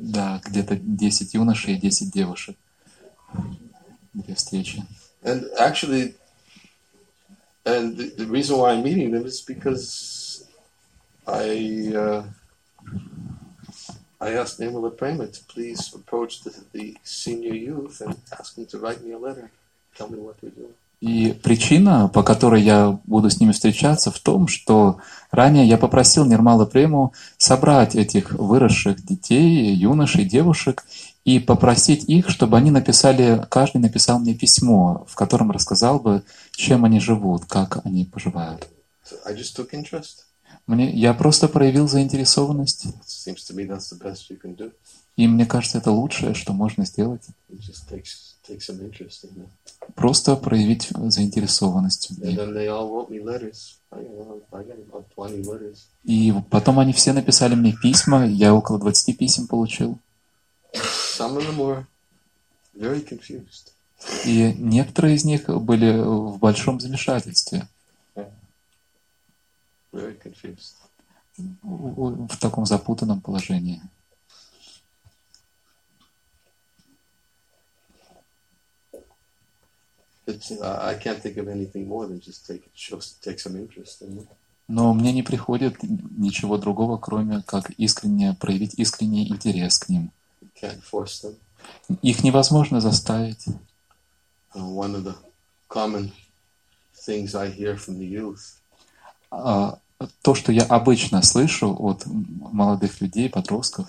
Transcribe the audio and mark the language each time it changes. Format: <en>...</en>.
<ru>Да, где-то 10 юношей и 10 девушек. Две встречи.</ru> <en>And actually... And the reason why I'm meeting them is because I asked Nirmala Prema to please approach the senior youth and ask them to write me a letter, tell me what they're doing.</en> <ru>И причина, по которой я буду с ними встречаться, в том, что ранее я попросил Нирмалу Прему собрать этих выросших детей, юношей, девушек, и попросить их, чтобы они написали, каждый написал мне письмо, в котором рассказал бы, чем они живут, как они поживают.</ru> <en>So I just took interest.</en> <ru>Я просто проявил заинтересованность.</ru> <en>It seems to me that's the best you can do.</en> <ru>И мне кажется, это лучшее, что можно сделать.</ru> <en>It just takes some interest in it.</en> <ru>Просто проявить заинтересованность.</ru> <en>And then they all wrote me letters. I got about 20 letters.</en> <ru>И потом они все написали мне письма, я около 20 писем получил.</ru> <en>Some of them were very confused.</en> <ru>И некоторые из них были в большом замешательстве.</ru> <en>Yeah. Very confused.</en> <ru>В таком запутанном положении.</ru> <en>I can't think of anything more than just take some interest in it.</en> <ru>Но мне не приходит ничего другого, кроме как искренне проявить искренний интерес к ним.</ru> <en>Can't force them.</en> <ru>Их невозможно заставить.</ru> <en>One of the common things I hear from the youth.</en> <ru>То, что я обычно слышу от молодых людей, подростков.</ru>